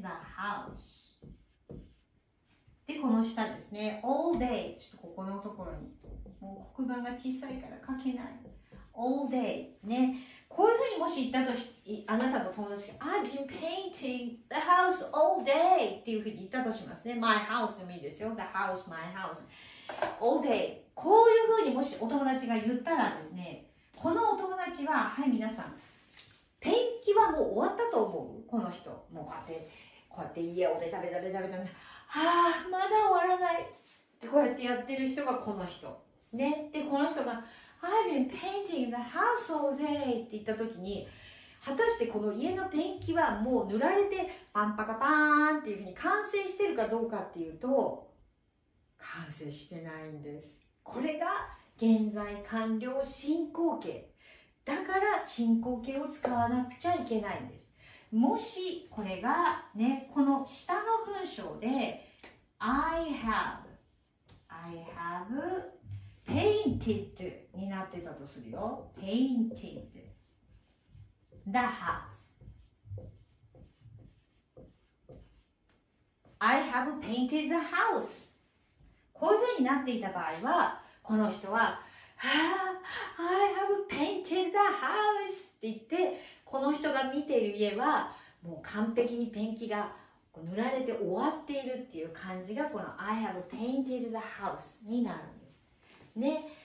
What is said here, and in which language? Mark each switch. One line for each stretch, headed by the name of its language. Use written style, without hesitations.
Japanese: the house で、この下ですね、 all day、 ちょっとここのところにもう黒板が小さいから書けない。 All day ね、こういうふうにもし言ったとし、あなたの友達が
English: I've been painting the house all day
Japanese: っていうふうに言ったとしますね。
English: My house
Japanese: でもいいですよ。
English: The house, my house, all day。
Japanese: こういうふうにもしお友達が言ったらですね、このお友達は、はい皆さん、ペンキはもう終わったと思う。この人もうこうやって家をベタベタベタベタ、はあまだ終わらないってこうやってやってる人がこの人。ね、でこの人が
English: I've been painting the house all day
Japanese: って言った時に、果たしてこの家のペンキはもう塗られてパンパカパーンっていう風に完成してるかどうかっていうと、完成してないんです。これが現在完了進行形だから、進行形を使わなくちゃいけないんです。もしこれがね、この下の文章で
English: I have painted
Japanese: になってたとするよ。
English: painted the house。 I have painted the house。
Japanese: こういう風になっていた場合は、この人は、はあ、
English: I have painted the house
Japanese: って言って、この人が見ている家はもう完璧にペンキが塗られて終わっているっていう感じが、この I have painted the house になるんですね。